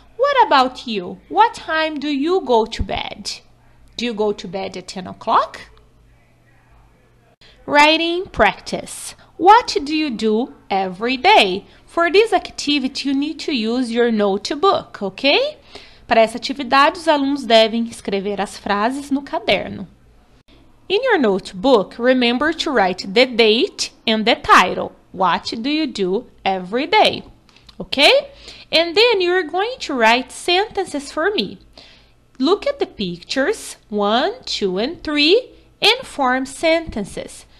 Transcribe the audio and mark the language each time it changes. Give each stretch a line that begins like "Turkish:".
English: What about you? What time do you go to bed? Do you go to bed at 10 o'clock? Writing practice. What do you do every day? For this activity, you need to use your notebook, ok?
Portuguese: Para essa atividade, os alunos devem escrever as frases no caderno.
English: In your notebook, remember to write the date and the title. What do you do every day? Ok? And then you're going to write sentences for me. Look at the pictures, 1, 2, and 3, and form sentences.